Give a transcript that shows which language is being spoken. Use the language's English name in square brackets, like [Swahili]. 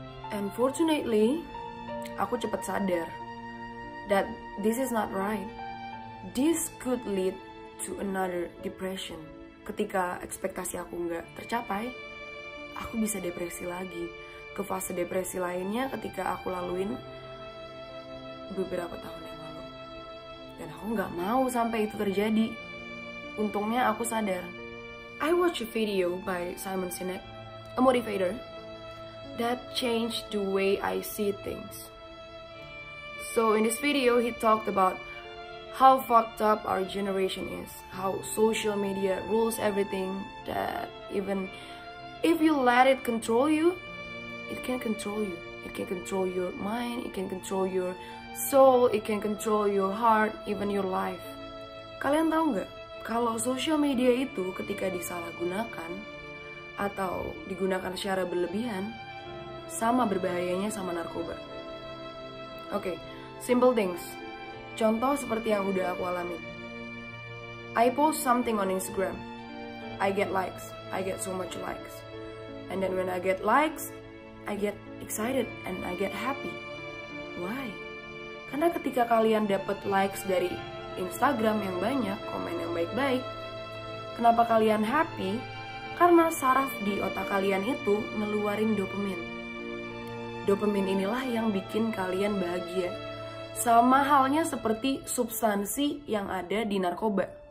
[English] And fortunately, [Indonesian] aku cepet sadar [English] that this is not right. This could lead to another depression. [Indonesian] Ketika ekspektasi aku gak tercapai, aku bisa depresi lagi ke fase depresi lainnya ketika aku laluin beberapa tahun yang lalu. Dan aku gak mau sampai itu terjadi. Untungnya aku sadar. [English] I watched a video by Simon Sinek, a motivator, that changed the way I see things. So in this video, he talked about how fucked up our generation is, how social media rules everything, that even if you let it control you, it can control you. It can control your mind, it can control your soul, it can control your heart, even your life. [Indonesian] Kalian tahu nggak? Kalau social media itu ketika disalahgunakan atau digunakan secara berlebihan, sama berbahayanya sama narkoba. [English] Okay, simple things. [Indonesian] Contoh seperti yang udah aku alami. [English] I post something on Instagram. I get likes. I get so much likes. And then when I get likes, I get excited and I get happy. Why? [Indonesian] Karena ketika kalian dapat likes dari Instagram yang banyak, komen yang baik-baik, kenapa kalian happy? Karena saraf di otak kalian itu ngeluarin dopamin. Dopamin inilah yang bikin kalian bahagia. Sama halnya seperti substansi yang ada di narkoba.